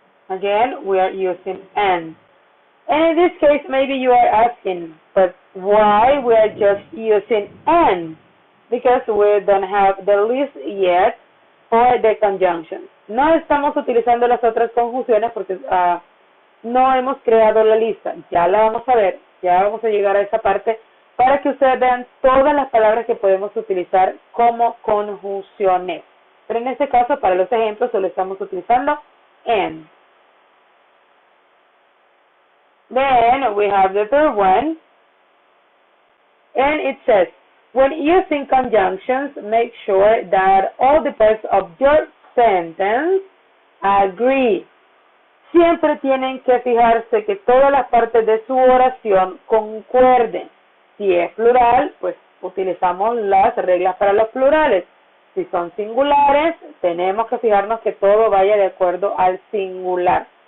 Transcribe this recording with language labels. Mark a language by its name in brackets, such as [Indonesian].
[English] Again, we are using and. And in this case, maybe you are asking, but why we are just using and? Because we don't have the list yet for the conjunction. [Spanish] No estamos utilizando las otras conjunciones porque no hemos creado la lista. Ya la vamos a ver. Ya vamos a llegar a esa parte para que ustedes vean todas las palabras que podemos utilizar como conjunciones. Pero en este caso, para los ejemplos, solo estamos utilizando and. [English] Then we have the third one, and it says, when using conjunctions, make sure that all the parts of your sentence agree. [Spanish] Siempre tienen que fijarse que todas las partes de su oración concuerden. Si es plural, pues utilizamos las reglas para los plurales. Si son singulares, tenemos que fijarnos que todo vaya de acuerdo al singular.